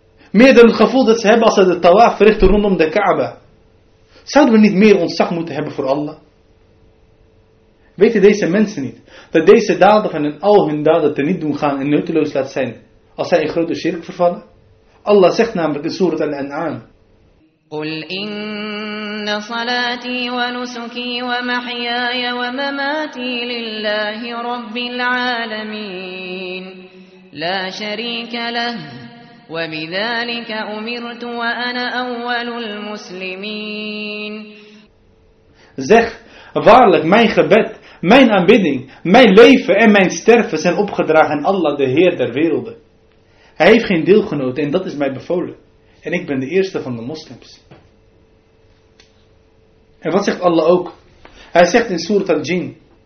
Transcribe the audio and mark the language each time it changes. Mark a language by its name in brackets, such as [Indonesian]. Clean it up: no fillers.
[Dutch] Meer dan het gevoel dat ze hebben als ze de tawaf verrichten rondom de Kaaba. Zouden we niet meer ontzag moeten hebben voor Allah? Weten deze mensen niet dat deze daden van hen al hun daden teniet doen gaan en nutteloos laat zijn als zij in grote shirk vervallen? Allah zegt namelijk in Surat al-An'am. [Arabic] قل إن صلاتي ونسكي ومحياي ومماتي لله رب العالمين لا شريك له وبذلك أمرت وأنا أول المسلمين. [Dutch] Zeg, waarlijk mijn gebed, mijn aanbidding, mijn leven en mijn sterven zijn opgedragen aan Allah, de Heer der werelden. Hij heeft geen deelgenoten en dat is mij bevolen. En ik ben de eerste van de moslims. En wat zegt Allah ook? Hij zegt in Surat al-Jin.